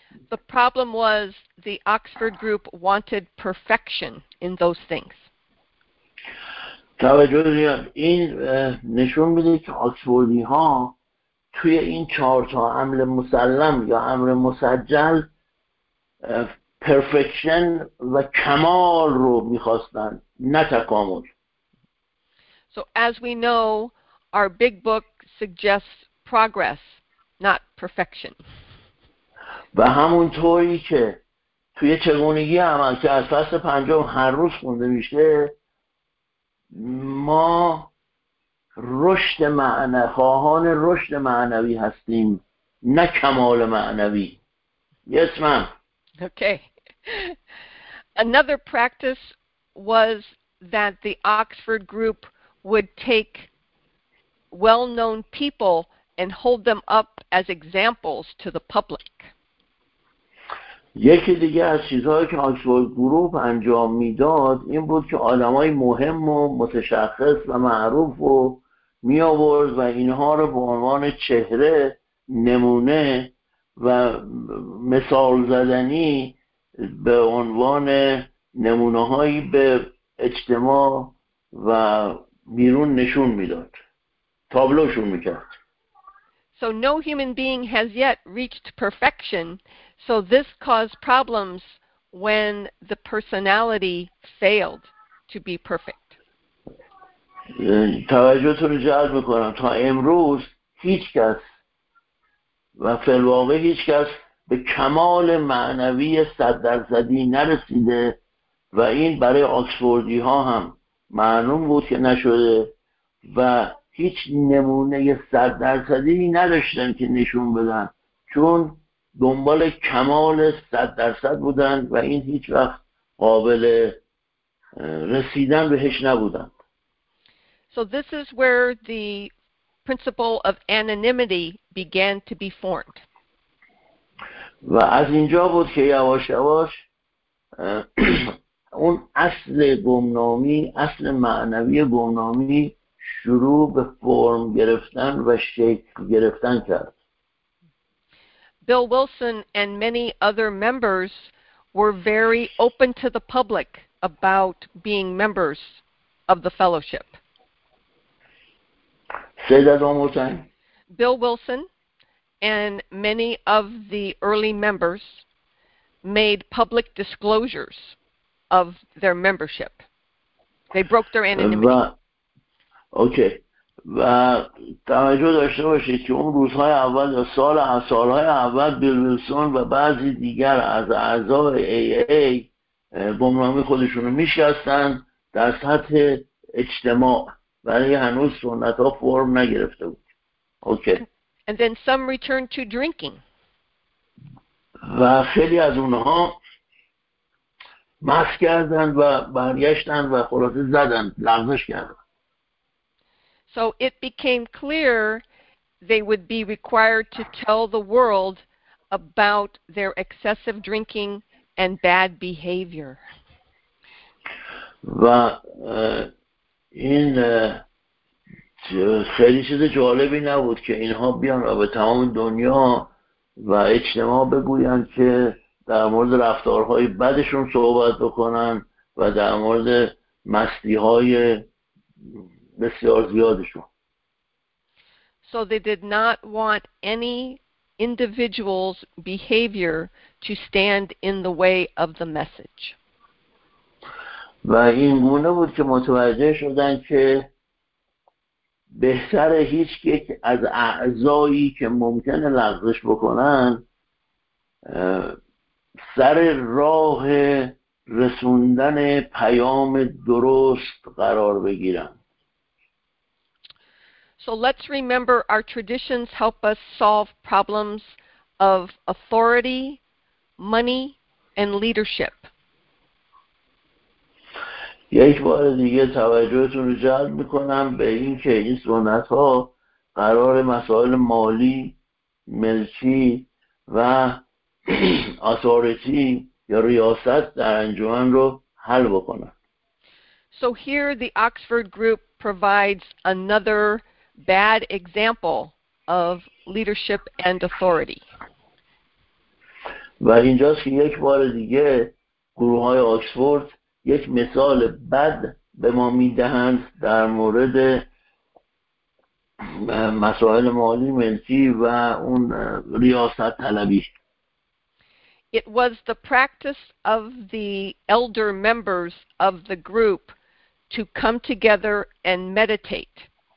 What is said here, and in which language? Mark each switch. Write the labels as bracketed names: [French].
[English] The problem was the Oxford group wanted perfection in those things. [Persian] توجه دارید این نشون میده که آکسفوردی ها توی این چهار تا امر مسلم یا امر مسجل پرفکشن و کمال رو میخواستن، نه تکامل. [English] So as we know, our big book suggests progress, not perfection. [Persian] و همونطوری که توی چگونگی عمل که از فصل پنجم هر روز خونده میشه، ما رشد معنوی، خواهان رشد معنوی هستیم، نه کمال معنوی. [English] Yes, ma'am. Okay. Another practice was that the Oxford group would take well-known people and hold them up as examples to the public. [Persian] یکی دیگه از چیزهایی که آکسفورد گروپ انجام میداد این بود که آدمای مهم و متشخص و معروف رو می آورد و اینها رو به عنوان چهره، نمونه و مثال زدنی به عنوان نمونه هایی به اجتماع و بیرون نشون میداد، تابلوشون میکرد. [English] So no human being has yet reached perfection. So this caused problems when the personality failed to be perfect. [Persian] توجهتون رو جلب میکنم، تا امروز هیچ کس و فلواقع هیچ کس به کمال معنوی 100% نرسیده و این برای آکسفوردی ها هم معلوم بود که نشده و هیچ نمونه 100% نداشتن که نشون بدن، چون دنبال کمال 100% بودن و این هیچ وقت قابل رسیدن بهش نبودن. [English] So this is where the principle of anonymity began to be formed. [Persian] و از اینجا بود که یواش یواش اون اصل گمنامی، اصل معنوی گمنامی شروع به فرم گرفتن و شکل گرفتن کرد. [English] Bill Wilson and many other members were very open to the public about being members of the fellowship. Say that one more time. Bill Wilson and many of the early members made public disclosures of their membership. They broke their anonymity. Okay. [Persian] و توجه داشته باشید که اون روزهای اول و سالهای اول بیل ویلسون و بعضی دیگر از اعضای AA بمرامی خودشون رو میشستن در سطح اجتماع ولی هنوز سنت ها فرم نگرفته بود. [English] Okay. And then some returned to drinking. [Persian] و خیلی از اونها مست کردن و برگشتن و خلاصه زدن لغزش کردن. [English] So it became clear they would be required to tell the world about their excessive drinking and bad behavior. [Persian] و این خیلی چیز جالبی نبود که اینها بیان به تمام دنیا و اجتماع بگویند که در مورد رفتارهای بدشون صحبت بکنن و در مورد مستی‌های بسیار زیادشون. [English] So they did not want any individual's behavior to stand in the way of the message. [Persian] و این گونه بود که متوجه شدن که بهتر هیچ یک از اعضایی که ممکنه لغزش بکنن سر راه رسوندن پیام درست قرار بگیرن. [English] So let's remember our traditions help us solve problems of authority, money, and leadership. [Persian] یک بار دیگه توجهتون رو جلب میکنم به این که این سنت ها قرار مسائل مالی، ملکی و اتوریتی یا ریاست در انجمن رو حل بکنن. [English] So here the Oxford group provides another bad example of leadership and authority. [Persian] و اینجاست که یک بار دیگه گروه های آکسفورد یک مثال بد به ما میدهند در مورد مسائل مالی ملکی و اون ریاست طلبی. [English] It was the practice of the elder members of the group to come together and meditate.